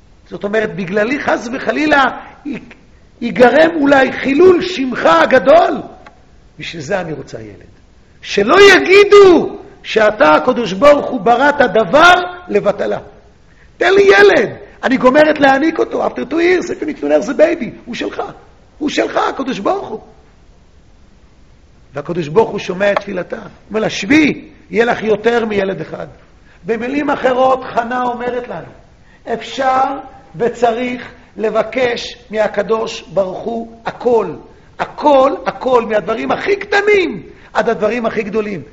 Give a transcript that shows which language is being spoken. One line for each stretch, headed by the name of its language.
Hebrew: זאת אומרת בגללי חס וחלילה יגרם אולי חילול שמך הגדול. בשביל זה אני רוצה ילד. שלא יגידו שאתה הקדוש ברוך הוא בראת הדבר לבטלה. תן לי ילד, אני גומרת להעניק אותו.
English: After 2 years, if you need to nurse the baby,
Hebrew: הוא שלך. הוא שלך, הקדוש ברוך הוא. והקדוש ברוך הוא שומע את תפילתה. הוא אומר לה, שבי, יהיה לך יותר מילד אחד. במילים אחרות, חנה אומרת לנו, אפשר וצריך לבקש מהקדוש ברוך הוא הכל. הכל, הכל, מהדברים הכי קטנים. עד הדברים הכי גדולים.